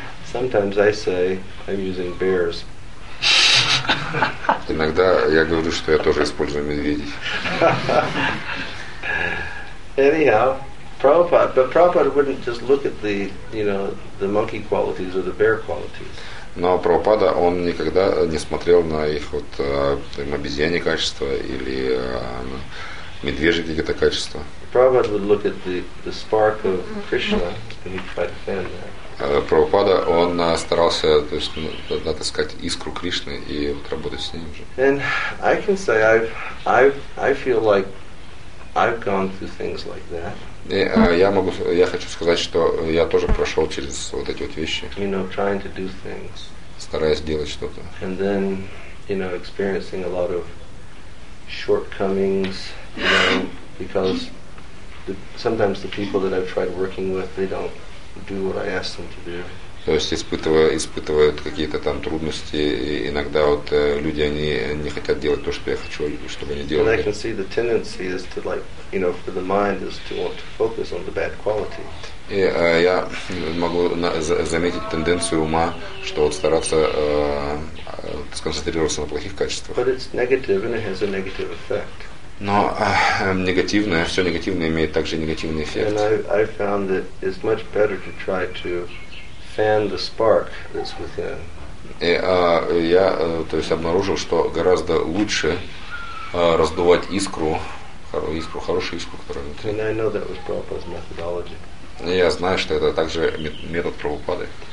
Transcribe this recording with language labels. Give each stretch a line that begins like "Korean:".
English: Sometimes I say I'm using bears.
Russian: Иногда я говорю, что я тоже использую медведей.
English: Anyhow, Prabhupada, but Prabhupada wouldn't just look at the, you know, the monkey qualities or the bear qualities.
Russian: Но Прабхупада, он никогда не смотрел на их вот обезьянье качество или медвежье какие-то качества.
English: Prabhupada would look at the spark of Krishna and he'd try to fan that.
Russian: Прабхупада, он старался, то есть, отыскать искру Кришны и вот работать с ним уже.
English: And I can say I feel like I've gone through things like that.
Russian: И я хочу сказать, что я тоже прошел через вот эти вот вещи.
English: You know, trying to do things.
Russian: Стараясь делать что-то.
English: And then, you know, experiencing a lot of shortcomings, you know, because sometimes the people that I've tried working with, they don't do what I ask them to do.
Russian: То есть испытывают какие-то там трудности, и иногда вот люди они не хотят делать то, что я хочу, чтобы они делали.
English: And I can see the tendency is to, like, you know, for the mind is to want to focus on the bad qualities.
Russian: И я могу заметить тенденцию ума, что вот стараться сконцентрироваться на плохих качествах.
English: But it's negative and it has a negative effect.
Russian: Но негативное, все негативное имеет также негативный эффект.
English: And I found that it's much better to try to fan the spark that's within.
Russian: И я, то есть, обнаружил, что гораздо лучше раздувать искру, хорошую искру, которая внутри.
English: And I know that was Prabhupada's methodology.
Russian: И я знаю, что это также метод Прабхупады.